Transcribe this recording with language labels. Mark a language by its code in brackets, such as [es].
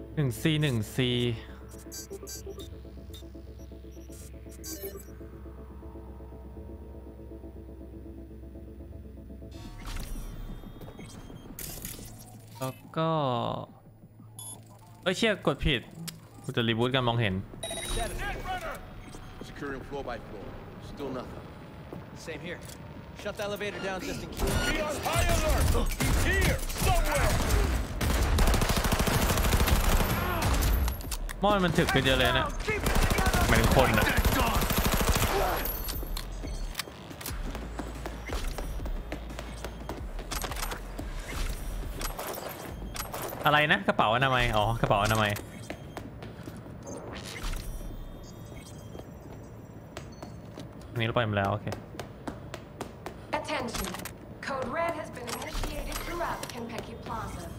[th] C 1 C แล้วก็เอ้ยเชี่ยกดผิดกูจะรีบูทกันมองเห็น [en] Securing floor by floor still nothing Same here Shut the elevator down just in case He's on high alert He's here somewhere [th] ม้อนมันถึกไปเยอะเลยนะมันคนนะอะไรนะกระเป๋าอนามัยอ๋อกระเป๋าอนามัยนี่เราไปมาแล้วโอเค [en] Attention Code Red has been initiated throughout Kenpeki Plaza